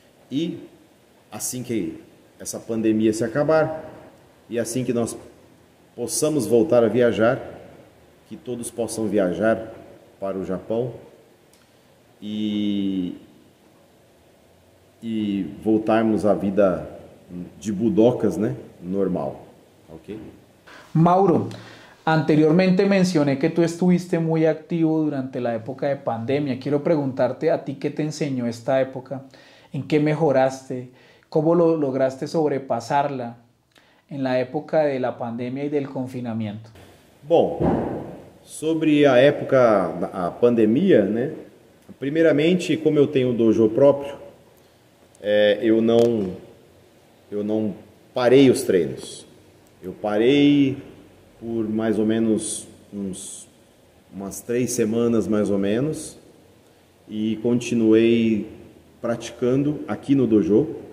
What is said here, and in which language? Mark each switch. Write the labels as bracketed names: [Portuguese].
[Portuguese] E assim que essa pandemia se acabar, e assim que nós possamos voltar a viajar, que todos possam viajar para o Japão e voltarmos à vida de budokas, né? Normal, ok? [Spanish] Mauro, anteriormente mencioné que tú estuviste muy activo durante la época de pandemia. Quiero preguntarte a ti qué te enseñó esta época, en qué mejoraste, cómo lo lograste sobrepasarla en la época de la pandemia y del confinamiento. [Portuguese] Bom, sobre a época da pandemia, né? Primeiramente, como eu tenho dojo próprio, eu não parei os treinos. Eu parei por mais ou menos umas 3 semanas, mais ou menos, e continuei praticando aqui no dojo.